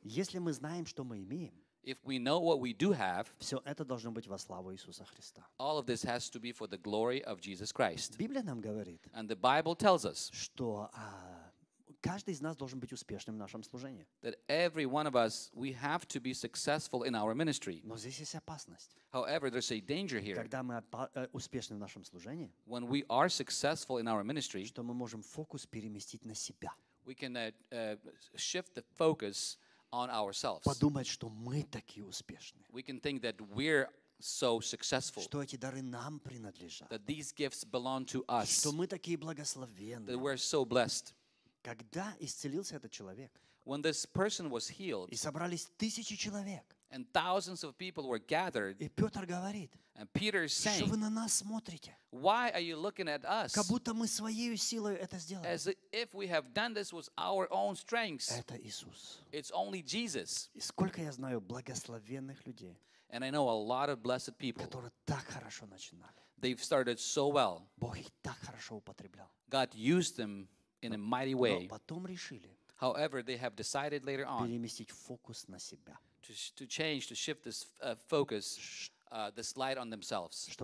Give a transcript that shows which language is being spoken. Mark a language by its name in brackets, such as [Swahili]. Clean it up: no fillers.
[Russian] Если мы знаем, что мы имеем, [English] if we know what we do have, [Russian] все это должно быть во славу Иисуса Христа. [English] All of this has to be for the glory of Jesus Christ. [Russian] Библия нам говорит, [English] and the Bible tells us, [Russian] что каждый из нас должен быть успешным в нашем служении. [English] That every one of us, we have to be successful in our ministry. [Russian] Но здесь есть опасность. [English] However, there's a danger here. [Russian] Когда мы успешны в нашем служении, [English] when we are successful in our ministry, [Russian] что мы можем фокус переместить на себя. [English] We can shift the focus on ourselves. [Russian] Подумать, что мы такие успешные. [English] We can think that we're so successful, [Russian] что эти дары нам принадлежат. [English] That these gifts belong to us. [Russian] Что мы такие благословенные. [English] That we're so blessed. [Russian] Когда исцелился этот человек, [English] when this person was healed, [Russian] и собрались тысячи человек, [English] and thousands of people were gathered, [Russian] и Петр говорит, [English] and Peter is saying, [Russian] что вы на нас смотрите, [English] why are you looking at us, [Russian] как будто мы своей силой это сделали, [English] as if we have done this with our own strengths. [Russian] Это Иисус. [English] It's only Jesus. [Russian] И сколько я знаю благословенных людей, [English] and I know a lot of blessed people, [Russian] которые так хорошо начинали. [English] They've started so well. [Russian] Бог их так хорошо употреблял. [English] God used them in a mighty way. [Russian] Потом решили, [English] However, they have decided later on to shift this focus, this light on themselves.